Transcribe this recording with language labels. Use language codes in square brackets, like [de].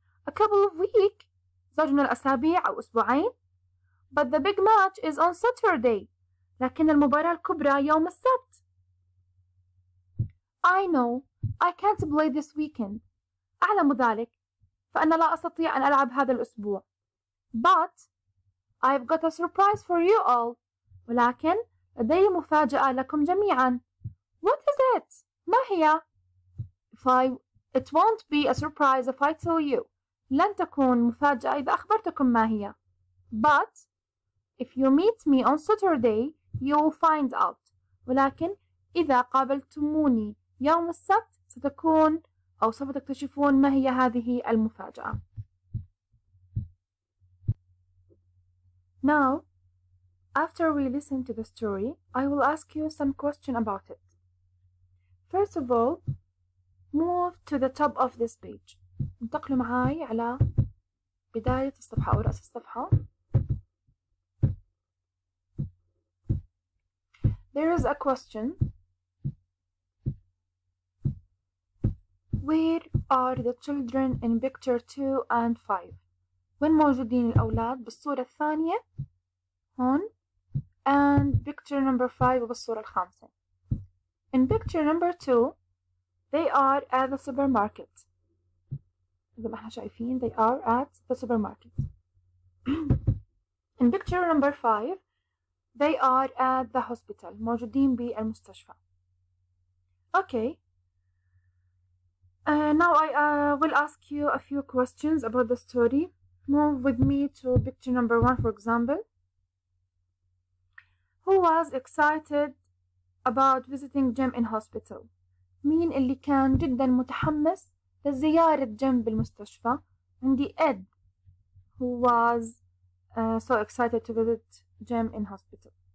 [en] A couple of weeks, [ar] زوج من الأسابيع أو أسبوعين. [en] But the big match is on Saturday. [ar] لكن المباراة الكبرى يوم السبت. [en] I know, I can't play this weekend. [ar] أعلم ذلك, فأنا لا أستطيع أن ألعب هذا الأسبوع. [en] But I've got a surprise for you all. [ar] ولكن لدي مفاجأة لكم جميعا. [en] What is it? [ar] ما هي؟ [en] It won't be a surprise if I tell you. [ar] لن تكون مفاجأة إذا أخبرتكم ما هي. [en] But if you meet me on Saturday, you will find out. [ar] ولكن إذا قابلتموني يوم السبت ستكون أو سوف تكتشفون ما هي هذه المفاجأة. [en] Now, after we listen to the story, I will ask you some question about it. First of all, move to the top of this page. [ar] انتقلوا معي على بداية الصفحة أو رأس الصفحة. [en] There is a question. Where are the children in picture 2 and 5? [ar] وين موجودين الأولاد بالصورة الثانية هون [en] and picture number 5 [ar] وبالصورة الخامسة. [en] In picture number 2, they are at the supermarket. [ar] زي ما احنا شايفين [en] they are at the supermarket. In picture number 5, they are at the hospital. [ar] موجودين بالمستشفى. [en] Okay. Now I will ask you a few questions about the story. Move with me to picture number 1, for example. Who was excited about visiting Jim in hospital? [ar] مين اللي كان جدا متحمس لزيارة جيم بالمستشفى؟ عندي Ed. [en] Who was so excited to visit Jim in hospital?